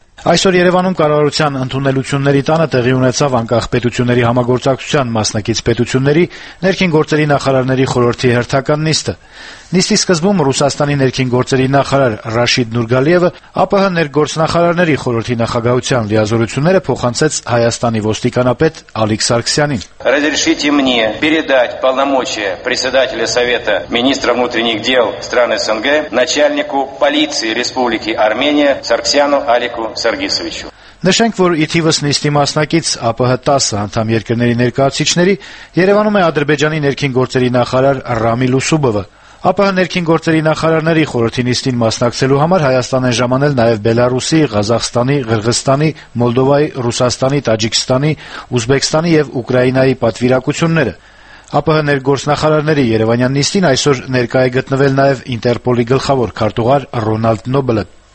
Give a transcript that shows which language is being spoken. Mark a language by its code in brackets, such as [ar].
[hy] Այսօր Երևանում կառավարության ընդունելությունների տանը տեղի ունեցավ անկախ պետությունների համագործակցության մասնակից պետությունների ներքին գործերի նախարարների խորհրդի հերթական նիստը։ Նիստի սկզբում Ռուսաստանի ներքին գործերի նախարար Ռաշիդ Նուրգալիևը ԱՊՀ ներգործնախարարների խորհրդի նախագահության լիազորությունները փոխանցեց Հայաստանի ոստիկանապետ Ալիք Սարգսյանին։ [ru] Разрешите мне передать полномочия председателя Совета министров внутренних дел стран СНГ начальнику полиции Республики Армения Սարգսյանո Ալիկու Սարգսևիչու։ [hy] Նշենք, որ իթիվս նիստի մասնակից ԱՊՀ 10 անդամ երկրների ներկայացիչների Երևանում է Ադրբեջանի ներքին գործերի նախարար Ռամի Լուսուբովը։ ԱՊՀ ներքին գործերի նախարարների խորհրդի նիստին մասնակցելու համար Հայաստան են ժամանել նաև Բելարուսի, Ղազախստանի, Ղրղստանի, Մոլդովայի, Ռուսաստանի, Տաջիկստանի, Ուզբեկստանի և Ուկրաինայի պատվիրակությունները։ ԱՊՀ ներգործնախարարների Երևանյան նիստին այսօր ներկայ է գտնվել նաև Ինտերպոլի գլխավոր քարտուղար Ռոնալդ Նոբելը։